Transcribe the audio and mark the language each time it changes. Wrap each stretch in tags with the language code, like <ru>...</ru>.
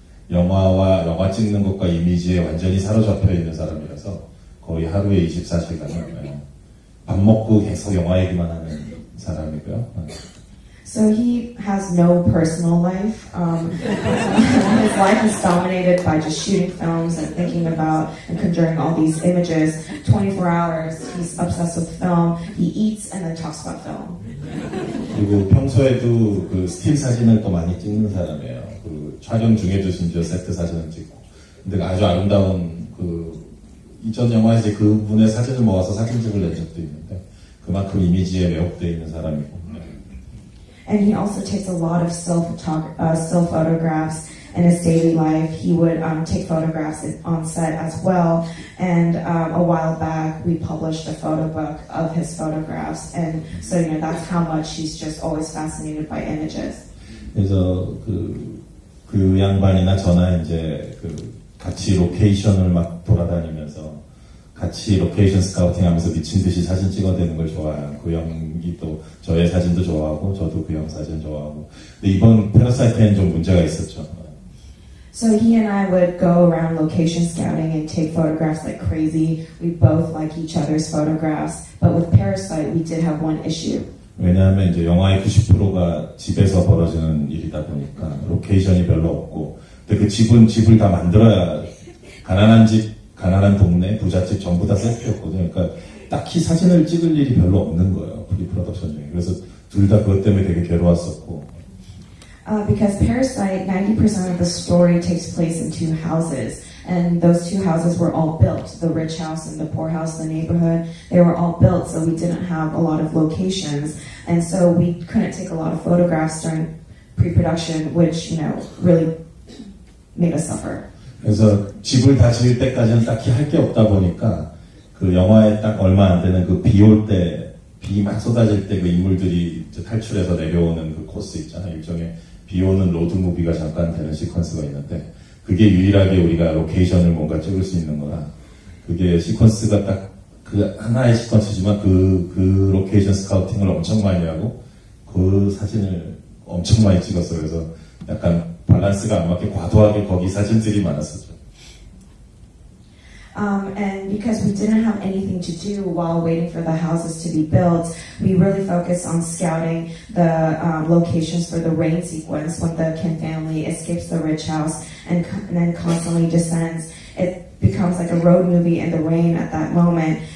<ko>영화 찍는 것과 이미지에 완전히 사로잡혀 있는 사람이라서 거의 하루에 24시간 밥 먹고 계속 영화 얘기만 하는 사람이고요.</ko> <en>So he has no personal life. His life is dominated by just shooting films and thinking about and conjuring all these images. 24 hours, he's obsessed with film. He eats and then talks about film.</en> <ko>그리고 평소에도 그 스틸 사진을 또 많이 찍는 사람이에요. 촬영 중에도 심지어 세트 사진을 찍고 근데 아주 아름다운 그 이전 영화에서 그분의 사진을 모아서 사진집을 낸 적도 있는데 그만큼 이미지에 매혹되어 있는 사람이고</ko> <en>And he also takes a lot of still photographs in his daily life. He would take photographs on set as well. And a while back, we published a photo book of his photographs. And so, you know, that's how much he's just always fascinated by images.</en> <ko>그래서 그 양반이나 저나 이제 그 같이 로케이션을 막 돌아다니면서 같이 로케이션 스카우팅 하면서 미친 듯이 사진 찍어대는 걸 좋아해요. 그 형이 또 저의 사진도 좋아하고 저도 그 형 사진 좋아하고. 근데 이번 패러사이트에는 좀 문제가 있었죠.</ko> <en>So he and I would go around location scouting and take photographs like crazy. We both like each other's photographs. But with Parasite, we did have one issue.</en> <ko>왜냐하면 이제 영화의 90%가 집에서 벌어지는 일이다 보니까 로케이션이 별로 없고 근데 그 집을 다 만들어야 가난한 집, 가난한 동네, 부잣집 전부 다 셀프였거든요. 그러니까 딱히 사진을 찍을 일이 별로 없는 거예요. 프리 프로덕션 중에. 그래서 둘 다 그것 때문에 되게 괴로웠었고.</ko> <en>Because Parasite, 90% of the story takes place in two houses. And those two houses were all built, the rich house and the poor house, the neighborhood. They were all built, so we didn't have a lot of locations. And so we couldn't take a lot of photographs during pre-production, which, you know, really made us suffer.</en> <ko>그래서 집을 다 지을 때까지는 딱히 할 게 없다 보니까 그 영화에 딱 얼마 안 되는 그 비 올 때, 비 막 쏟아질 때 그 인물들이 이제 탈출해서 내려오는 그 코스 있잖아. 일종의 비 오는 로드무비가 잠깐 되는 시퀀스가 있는데 그게 유일하게 우리가 로케이션을 뭔가 찍을 수 있는 거라 그게 시퀀스가 딱 그 하나의 시퀀스지만 그 로케이션 스카우팅을 엄청 많이 하고 그 사진을 엄청 많이 찍었어. 그래서 약간 밸런스가 안 맞게 과도하게 거기 사진들이 많았었죠.</ko> <en>And because we didn't have anything to do while waiting for the houses to be built, we really focused on scouting the locations for the rain sequence when the Kim family escapes the rich house and then constantly descends. It becomes like a road movie in the rain at that moment.</en>